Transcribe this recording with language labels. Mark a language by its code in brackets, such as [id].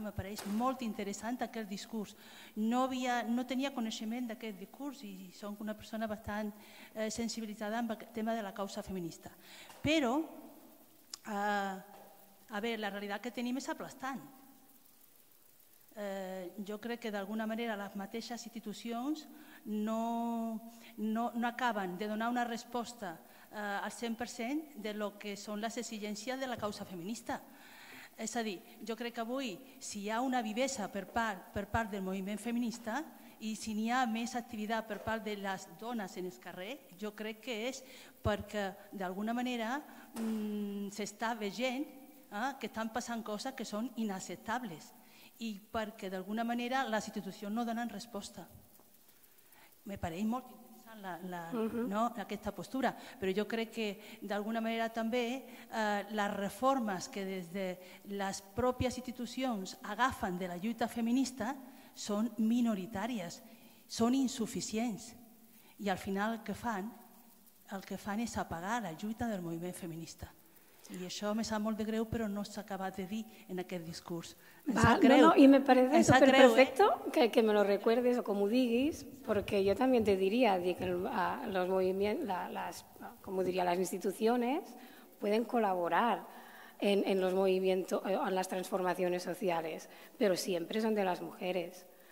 [es] Me parece muy interesante aquel discurso. No tenía conocimiento de aquel discurso y soy una persona bastante sensibilizada en el tema de la causa feminista. Pero, a ver, la realidad que tenemos es aplastante. Yo creo que de alguna manera [ca] las mateixes institucions no acaben de donar una resposta al 100% de lo que són les exigències de la causa feminista. És a dir, jo crec que avui, si hi ha una vivesa per part del moviment feminista i si n'hi ha més activitat per part de les dones en el carrer, jo crec que és perquè d'alguna manera s'està veient que estan passant coses que són inacceptables. [es] Y porque de alguna manera las instituciones no dan respuesta. Me parece muy interesante la esta postura, pero yo creo que de alguna manera también las reformas que desde las propias instituciones [ca] agafan de la lluita [es] feminista son minoritarias, son insuficientes. Y al final [ca] el que fan [es] es apagar la lluita del movimiento feminista. [ca] I això me sap molt de greu, però no s'ha acabat de dir en aquest discurs. [es] No, i me parece súper perfecto que me lo recuerdes [ca] o com ho diguis, perquè jo també te diria que [es] los movimientos, las instituciones pueden colaborar en los movimientos, en las transformaciones sociales, pero siempre son de las mujeres.